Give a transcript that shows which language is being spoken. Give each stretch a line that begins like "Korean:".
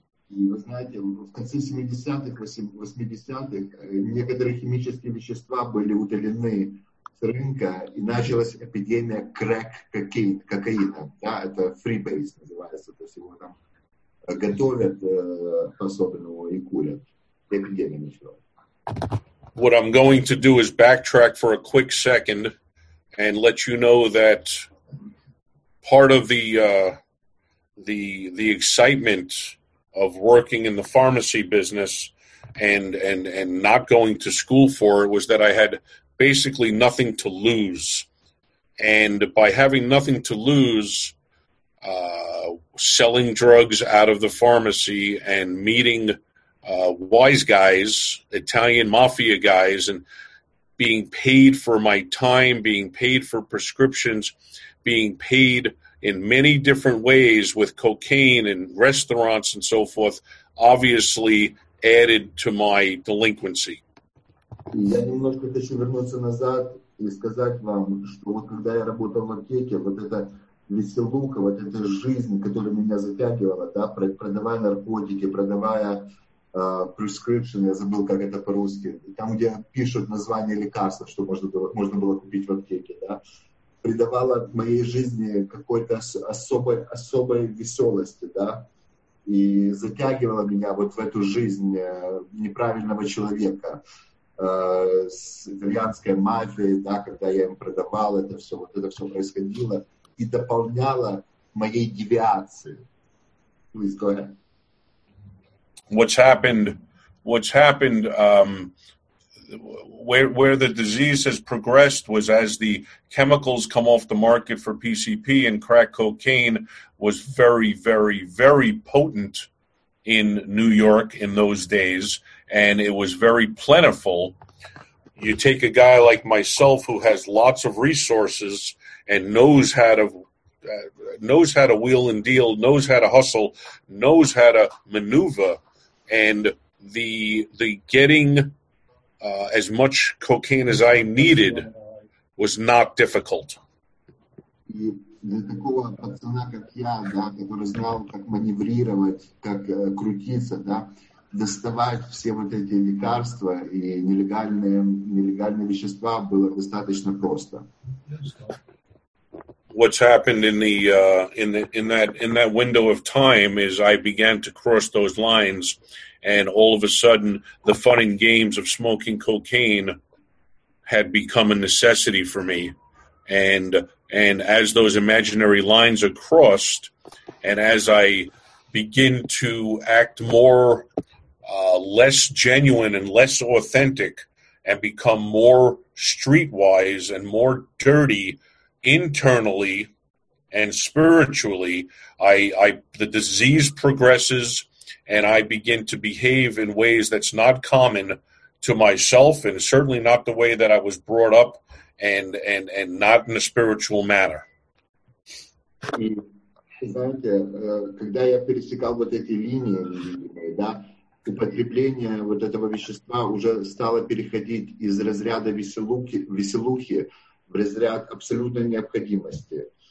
Russian: И вы знаете, в конце 70-х, 80-х некоторые химические вещества были удалены с рынка, и началась эпидемия крэк-кокаина, да, это фрибейс называется, то есть его там готовят особенного и курят. Эпидемия началась.
English: What I'm going to do is backtrack for a quick second and let you know that part of the excitement of working in the pharmacy business and not going to school for it was that I had basically nothing to lose. And by having nothing to lose, selling drugs out of the pharmacy and meeting wise guys, Italian mafia guys, and being paid for my time, being paid for prescriptions, being paid in many different ways with cocaine and restaurants and so forth, obviously added to my delinquency.
Russian: Я немножко хочу вернуться назад и сказать вам, что вот когда я работал в аптеке, вот эта веселуха, вот эта жизнь, которая меня затягивала, да, продавая наркотики, продавая prescription, я забыл, как это по-русски, там, где пишут название лекарства, что можно было купить в аптеке, да, придавала моей жизни какой-то особой веселости, да, и затягивала меня вот в эту жизнь неправильного человека с итальянской мафией, да, когда я им продавал это все, вот это все происходило, и дополняла моей девиации.
English: Please go ahead. What's happened, where the disease has progressed was as the chemicals come off the market for PCP and crack cocaine was very, very, very potent in New York in those days, and it was very plentiful. You take a guy like myself who has lots of resources and knows how to wheel and deal, knows how to hustle, knows how to maneuver, and the getting as much cocaine as I needed was not difficult.
Russian: И для такого пацана, как я, да, который знал, как маневрировать, как крутиться, да, доставать все вот эти лекарства и нелегальные вещества было достаточно просто.
English: What's happened in that window of time is I began to cross those lines, and all of a sudden the fun and games of smoking cocaine had become a necessity for me. And as those imaginary lines are crossed, and as I begin to act more less genuine and less authentic, and become more streetwise and more dirty internally and spiritually, I the disease progresses, and I begin to behave in ways that's not common to myself, and certainly not the way that I was brought up, and not in a spiritual manner.
Russian: Знаете, когда я пересекал вот эти линии, да, употребление вот этого вещества уже стало переходить из разряда веселухи в разряд абсолютной необходимости.